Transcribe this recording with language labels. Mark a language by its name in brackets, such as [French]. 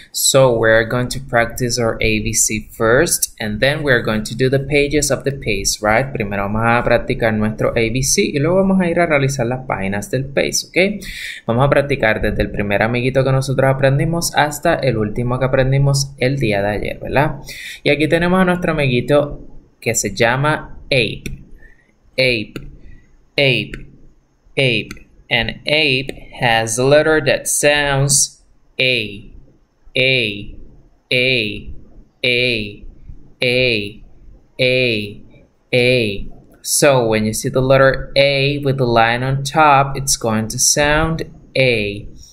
[English] So we're going to practice our ABC first, and then we're going to do the pages of the page, right? [Spanish] Primero vamos a practicar nuestro ABC y luego vamos a ir a realizar las páginas del page, ¿ok? Vamos a practicar desde el primer amiguito que nosotros aprendimos hasta el último que aprendimos el día de ayer, ¿verdad? Y aquí tenemos a nuestro amiguito que se llama Ape. [English] Ape. Ape. Ape. An ape has a letter that sounds A. A. A. A. A. A. A. So when you see the letter A with the line on top, it's going to sound A.